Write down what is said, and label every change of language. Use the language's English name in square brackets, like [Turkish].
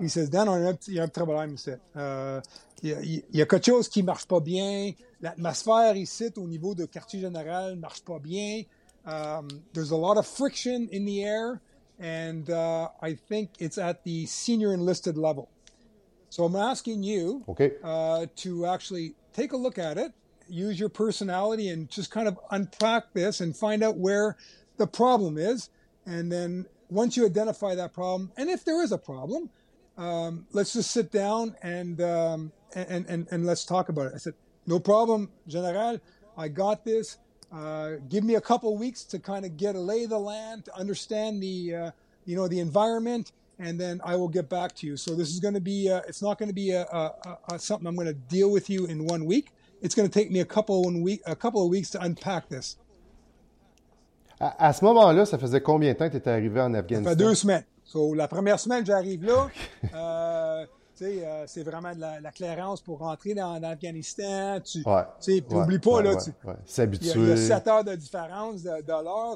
[English] He says, [French] Dan, il y a un problème ici. Il y a quelque chose qui ne marche pas bien. L'atmosphère ici, au niveau du quartier général, ne marche pas bien. [English] There's a lot of friction in the air, and I think it's at the senior enlisted level. So I'm asking you to actually take a look at it, use your personality, and just kind of unpack this and find out where the problem is. And then once you identify that problem, and if there is a problem, let's just sit down and let's talk about it. I said, no problem, General. I got this. Give me a couple of weeks to kind of get a lay of the land, to understand the environment. And then I will get back to you. So this is going to be, it's not going to be a something I'm going to deal with you in 1 week. It's going to take me a couple of weeks to unpack this. [French] À ce moment-là, ça faisait combien de temps que tu étais arrivé en Afghanistan? Ça fait deux semaines. So, la première semaine, j'arrive là. c'est vraiment de la clairance pour rentrer en Afghanistan. S'habituer. Il y a 7 heures de différence de l'heure.